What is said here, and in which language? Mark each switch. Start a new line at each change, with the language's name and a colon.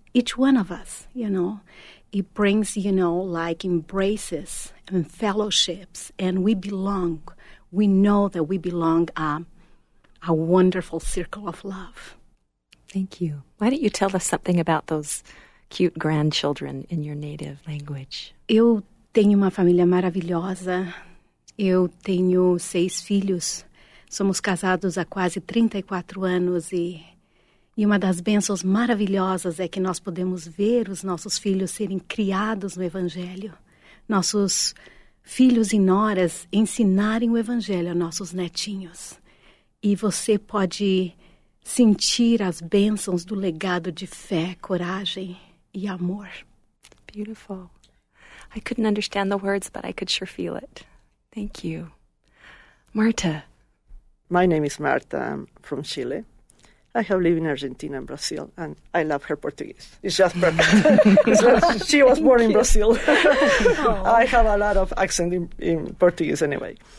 English: Each one of us, you know, it brings, you know, like embraces and fellowships, and we belong. We know that we belong a wonderful circle of love. Thank you. Why don't you tell us something about those cute grandchildren in your native language?
Portuguese: Eu tenho uma família maravilhosa. Eu tenho 6 filhos. Somos casados há quase 34 anos e... E uma das bênçãos maravilhosas é que nós podemos ver os nossos filhos serem criados no Evangelho. Nossos filhos e noras ensinarem o Evangelho a nossos netinhos. E você pode sentir as bênçãos do legado de fé, coragem e amor.
English: Beautiful. I couldn't understand the words, but I could sure feel it. Thank you. Marta. My name is Marta. I'm from Chile. I have lived in Argentina and Brazil, and I love her Portuguese. It's just perfect. She was born in Brazil. I have a lot of accent in Portuguese anyway.